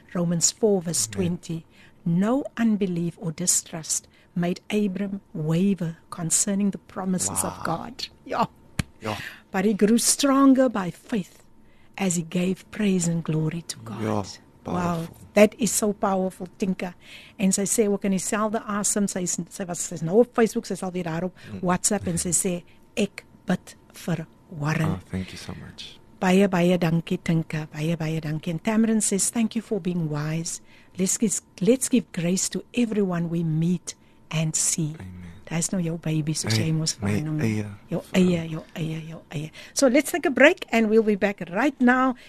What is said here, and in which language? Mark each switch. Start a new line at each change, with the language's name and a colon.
English: Romans 4 verse 20. No unbelief or distrust made Abram waver concerning the promises of God. But he grew stronger by faith as he gave praise and glory to God. Wow, that is so powerful, Tinka.
Afrikaans: And sy sê ook in dieselfde asem, sy's nou op Facebook, sy's alweer daar op WhatsApp, en sy sê, ek bid vir Warren.
English: Oh, thank you so much.
Afrikaans: Baie, baie dankie, Tinka. Baie, baie dankie.
English: And Tamarin says, thank you for being wise. Let's give grace to everyone we meet and see. There's no your baby, so shame was fine. Your eye. So let's take a break and we'll be back right now.